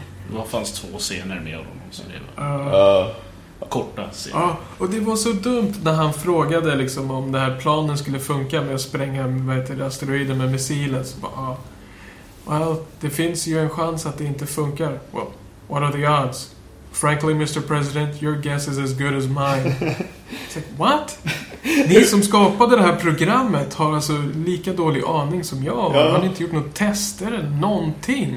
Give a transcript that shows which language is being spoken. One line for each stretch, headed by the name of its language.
Swedish: Det var fanns två scener med honom som det var. Korta scener. Och det var så dumt när han frågade liksom om det här planen skulle funka med att spränga asteroiden med missilen. Så bara, well, det finns ju en chans att det inte funkar.
English: Well, what are the odds? Frankly, Mr. President, your guess is as good as mine. It's like, what?
Swedish: Ni som skapade det här programmet har alltså lika dålig aning som jag. Ja. Har ni inte gjort något tester eller någonting?